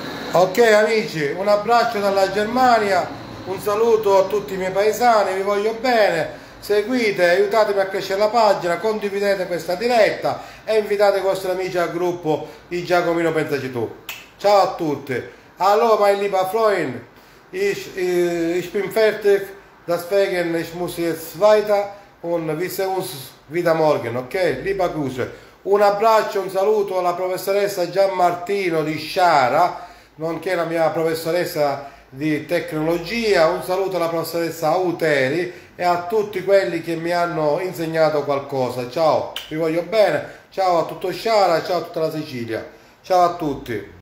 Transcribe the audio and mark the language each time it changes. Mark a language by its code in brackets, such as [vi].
[it] Ok amici, un abbraccio dalla Germania. Un saluto a tutti i miei paesani, vi voglio bene, seguite, aiutatemi a crescere la pagina, condividete questa diretta e invitate i vostri amici al gruppo di Giacomino Pensaci Tu. Ciao a tutti. [de] Hallo, mein lieber Freund, ich bin fertig, deswegen ich muss jetzt weiter und wir sehen uns wieder morgen, ok? Liebe Grüße. [it] Un abbraccio, un saluto alla professoressa Gianmartino di Sciara, nonché la mia professoressa di tecnologia, un saluto alla professoressa Uteri e a tutti quelli che mi hanno insegnato qualcosa. Ciao, vi voglio bene, ciao a tutto Sciara, ciao a tutta la Sicilia, ciao a tutti.